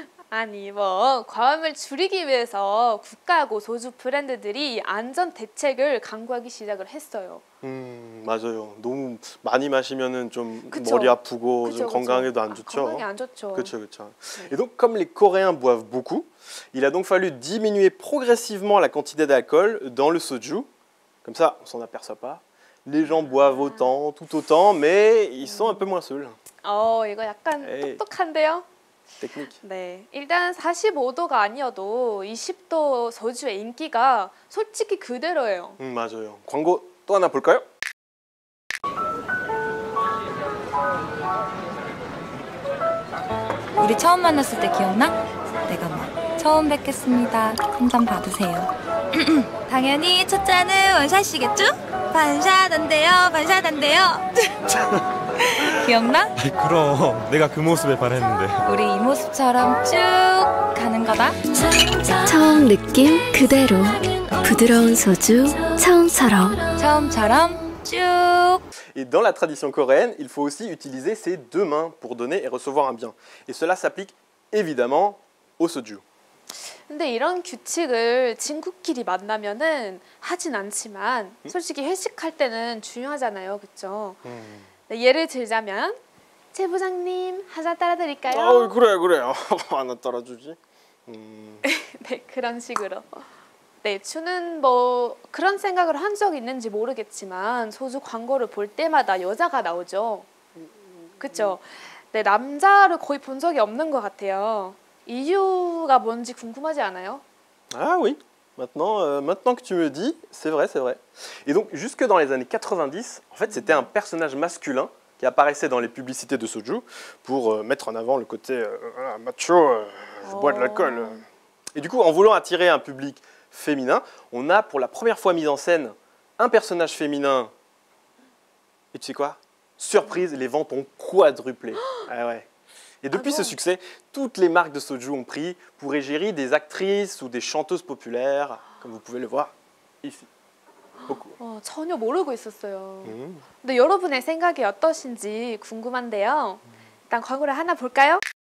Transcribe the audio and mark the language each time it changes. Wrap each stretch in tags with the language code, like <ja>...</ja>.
<ko>아니, 뭐 과음을 줄이기 위해서 국가하고 소주 브랜드들이 안전 대책을 강구하기 시작을 했어요. 맞아요. 너무 많이 마시면은 좀 그쵸? 머리 아프고 그쵸, 좀 그쵸. 건강에도 안 좋죠. 건강에 안 좋죠. 그렇죠, 그렇죠.</ko> <fr>Et donc comme les Coréens boivent beaucoup, il a donc fallu diminuer progressivement la quantité d'alcool dans le soju. Comme ça, on s'en aperçoit pas. Les gens boivent autant, tout autant, mais ils sont un peu moins seuls.</fr> <ko>Oh, 이거 약간 hey. 똑똑한데요? 테크닉. 네, 일단 45도가 아니어도 20도 소주의 인기가 솔직히 그대로예요. 맞아요. 광고 또 하나 볼까요? 우리 처음 만났을 때 기억나? 내가 막 처음 뵙겠습니다. 한 잔 받으세요. 당연히 첫 잔은 원샷이겠죠? 반샷한대요, 반샷한대요. 기억나? 그럼, 내가 그 모습에 반했는데. 우리 이 모습처럼 쭉 가는 거다. 처음 느낌 그대로. 부드러운 소주, 처음처럼. 처음처럼 쭉.</ko> <fr>Et dans la tradition coréenne, il faut aussi utiliser ses deux mains pour donner et recevoir un bien. Et cela s'applique évidemment au soju.</fr> <ko>근데 이런 규칙을 친구끼리 만나면은 하진 않지만 솔직히 회식할 때는 중요하잖아요, 그렇죠? 네, 예를 들자면 최 부장님 하자 따라드릴까요? 아우 그래 그래요. 하나 따라주지. 네 그런 식으로. 네 추는 뭐 그런 생각을 한 적 있는지 모르겠지만 소주 광고를 볼 때마다 여자가 나오죠. 그렇죠? 네 남자를 거의 본 적이 없는 것 같아요. 이유가 뭔지 궁금하지 않아요?</ko> <fr>Ah oui. Maintenant que tu me dis, c'est vrai, c'est vrai. Et donc jusque dans les années 90, en fait, c'était un personnage masculin qui apparaissait dans les publicités de soju pour mettre en avant le côté macho, je bois de l'alcool. Et du coup, en voulant attirer un public féminin, on a pour la première fois mis en scène un personnage féminin. Et tu sais quoi? Surprise, les ventes ont quadruplé. Ah ouais. Et depuis ce succès, toutes les marques de soju ont pris pour égérie des actrices ou des chanteuses populaires, comme vous pouvez le voir ici. Beaucoup.</fr> <ko>전혀 모르고 있었어요. 근데 여러분의 생각이 어떠신지 궁금한데요. 일단 광고를 하나 볼까요?</ko>